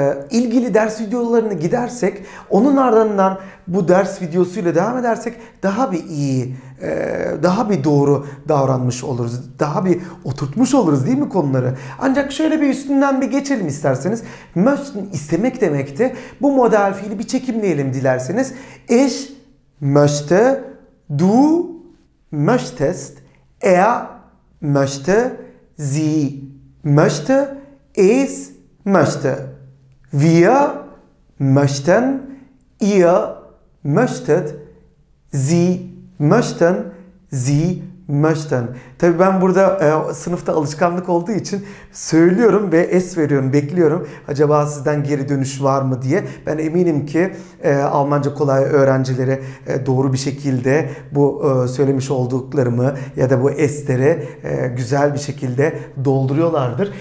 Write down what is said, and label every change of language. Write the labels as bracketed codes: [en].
[tr] İlgili ders videolarını gidersek, onun ardından bu ders videosuyla devam edersek daha bir iyi, daha bir doğru davranmış oluruz. Daha bir oturtmuş oluruz değil mi konuları? Ancak şöyle bir üstünden bir geçelim isterseniz. Möchten istemek demekti. Bu modal fiili bir çekimleyelim dilerseniz. [de] Ich möchte, du möchtest, möchte, sie möchte, es möchte. Wir möchten, ihr möchtet, sie möchten, sie möchten. [tr] Tabii ben burada sınıfta alışkanlık olduğu için söylüyorum ve es veriyorum, bekliyorum. Acaba sizden geri dönüş var mı diye. Ben eminim ki Almanca Kolay öğrencileri doğru bir şekilde bu söylemiş olduklarımı ya da bu esleri güzel bir şekilde dolduruyorlardır.